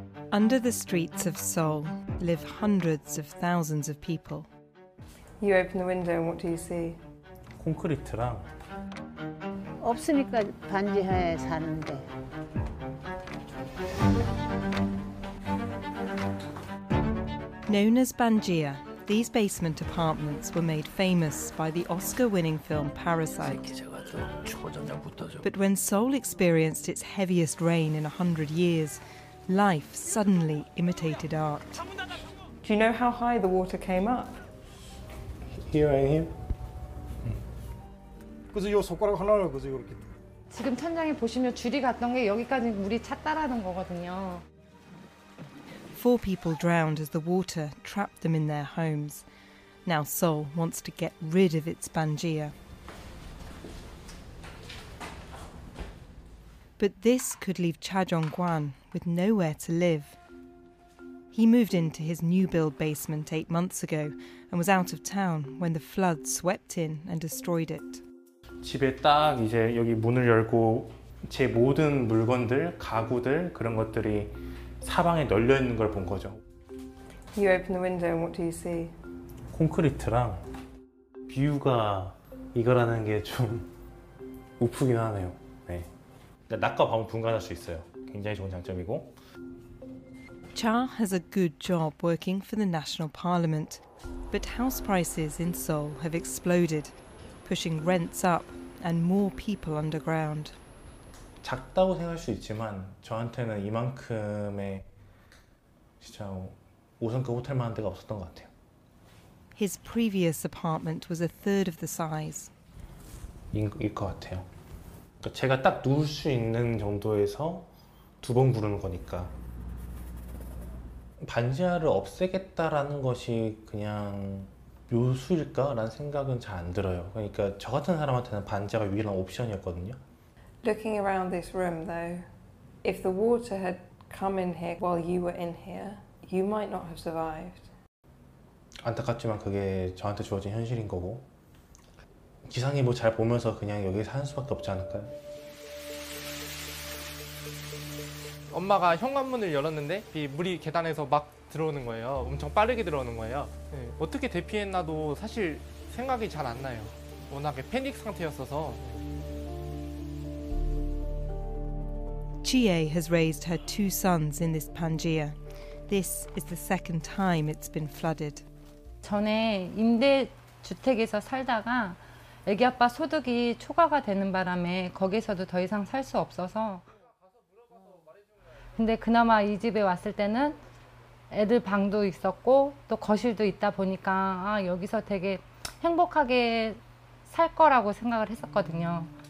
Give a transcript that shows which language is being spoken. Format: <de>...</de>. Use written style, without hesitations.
<en>Under the streets of Seoul live hundreds of thousands of people. You open the window and what do you see?</en> <ko>콘크리트랑 없으니까 반지하에 사는데.</ko> <en>Known as Banjia, these basement apartments were made famous by the Oscar-winning film Parasite. But when Seoul experienced its heaviest rain in 100 years, life suddenly imitated art. Do you know how high the water came up? Here I am.</en> <ko>그래서 요 손가락 하나를 그래서 이렇게. 지금 천장에 보시면 줄이 갔던 게 여기까지 물이 찼다라는 거거든요.</ko> <en>Four people drowned as the water trapped them in their homes. Now Seoul wants to get rid of its Banjia. But this could leave Cha Jong-kwan with nowhere to live. He moved into his new-build basement 8 months ago and was out of town when the flood swept in and destroyed it.</en> <ko>집에 딱 이제 여기 문을 열고 제 모든 물건들, 가구들 그런 것들이 사방에 널려 있는 걸 본 거죠.</ko> <en>You open the window and what do you see?</en> <ko>콘크리트랑 뷰가 이거라는 게 좀 우프긴 하네요. 네. 낮과 밤은 분간할 수 있어요. 굉장히 좋은 장점이고.</ko> <en>Cha has a good job working for the National Parliament, but house prices in Seoul have exploded, pushing rents up and more people underground.</en> <ko>작다고 생각할 수 있지만 저한테는 이만큼의 진짜 5성급 호텔만한 데가 없었던 것 같아요.</ko> <en>His previous apartment was a third of the size.</en> <ko>일 것 같아요. 제가 딱 누울 수 있는 정도에서 두 번 부르는 거니까 반지하를 없애겠다라는 것이 그냥 묘수일까라는 생각은 잘 안 들어요. 그러니까 저 같은 사람한테는 반지하가 유일한 옵션이었거든요.</ko> <en>Looking around this room though, if the water had come in here while you were in here, you might not have survived.</en> <ko>안타깝지만 그게 저한테 주어진 현실인 거고 기상이 뭐 잘 보면서 그냥 여기 사는 수밖에 없지 않을까요? 엄마가 현관문을 열었는데 이 물이 계단에서 막 들어오는 거예요. 엄청 빠르게 들어오는 거예요. 네, 어떻게 대피했나도 사실 생각이 잘 안 나요. 워낙에 패닉 상태였어서.</ko> <en>Chie has raised her two sons in this Banjia. This is the second time it's been flooded.</en> <ko>전에 임대 주택에서 살다가 애기 아빠 소득이 초과가 되는 바람에 거기서도 더 이상 살 수 없어서 근데 그나마 이 집에 왔을 때는 애들 방도 있었고 또 거실도 있다 보니까 아, 여기서 되게 행복하게 살 거라고 생각을 했었거든요.</ko>